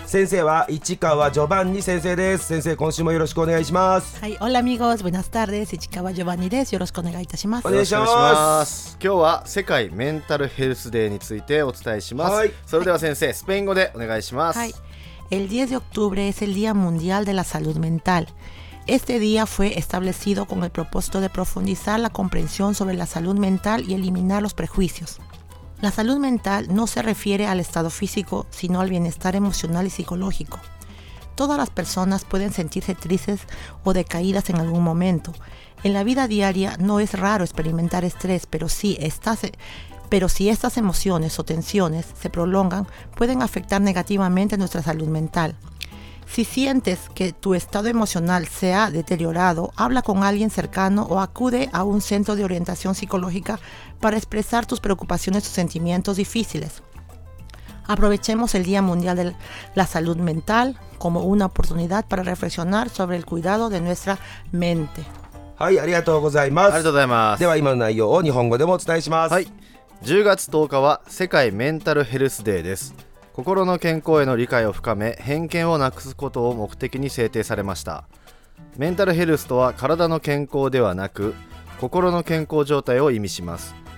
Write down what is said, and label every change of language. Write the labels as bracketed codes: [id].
[ja] 先生は市川ジョバンニ先生です。先生今週もよろしくお願いします。はい、 [es] オラミゴーズブナスタール [ja] です。市川ジョバンニです。よろしくお願いいたします。お願いします。お願いします。今日は世界メンタルヘルスデーについてお伝えします。はい、それでは先生、はい、スペイン語でお願いします。はい、 [es] El 10 de octubre es el Día Mundial de la Salud Mental. Este día fue establecido con el propósito de profundizar la comprensión sobre la salud mental y eliminar los prejuicios. La salud mental no se refiere al estado físico, sino al bienestar emocional y psicológico. Todas las personas pueden sentirse tristes o decaídas en algún momento. En la vida diaria no es raro experimentar estrés, pero si estas emociones o tensiones se prolongan, pueden afectar negativamente nuestra salud mental. Si sientes que tu estado emocional se ha deteriorado, habla con alguien cercano o acude a un centro de orientación psicológica para expresar tus preocupaciones o sentimientos difíciles. Aprovechemos el Día Mundial de la Salud Mental como una oportunidad para reflexionar sobre el cuidado de nuestra mente. [ja] はい、ありがとうございます。ありがとうございます。では今の内容を日本語でもお伝えします。はい。 10月10日は世界メンタルヘルスデーです。心の健康への理解を深め、偏見をなくすことを目的に制定されました。メンタルヘルスとは体の健康ではなく心の健康状態を意味します。